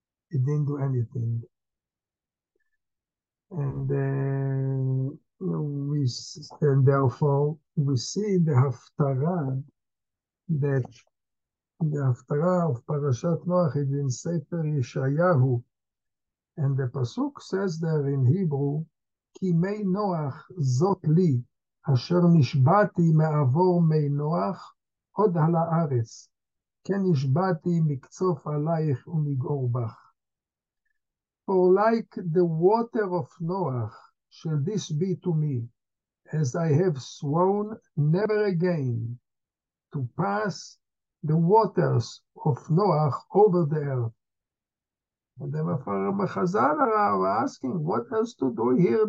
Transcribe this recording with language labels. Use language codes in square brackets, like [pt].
[en] He didn't do anything. And therefore, we see the Haftarah, that the Haftarah of Parashat Noah is in Sefer Yeshayahu. And the Pasuk says there in Hebrew, [he] Ki mei Noah zot li, אשר נשבעתי מעבור מי נוח עוד על הארץ, כן נשבעתי מקצוף עלייך ומגעור בך. [en] For like the water of Noah shall this be to me, as I have sworn never again to pass the waters of Noah over the earth. And then Mechazal are asking, what else to do here?